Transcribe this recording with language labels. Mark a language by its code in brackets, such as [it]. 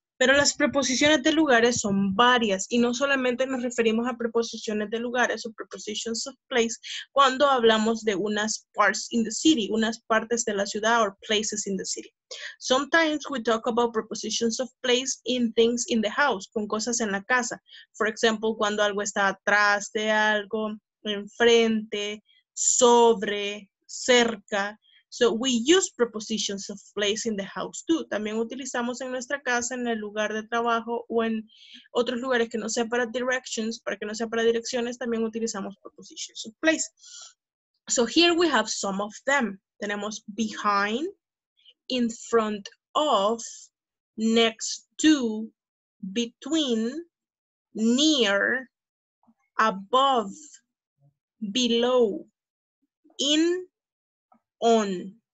[es] Pero las preposiciones de lugares son varias y no solamente nos referimos a preposiciones de lugares o [en] prepositions of place [es] cuando hablamos de unas [en] parts in the city, [es] unas partes de la ciudad [en] or places in the city. Sometimes we talk about prepositions of place in things in the house, [es] con cosas en la casa. [en] For example, [es] cuando algo está atrás de algo, enfrente, sobre, cerca. [en] So we use prepositions of place in the house too. [es] También utilizamos en nuestra casa, en el lugar de trabajo o en otros lugares que no sea para directions, para que no sea para direcciones, también utilizamos [en] prepositions of place. So here we have some of them. Tenemos behind, in front of, next to, between, near, above, below, in, on.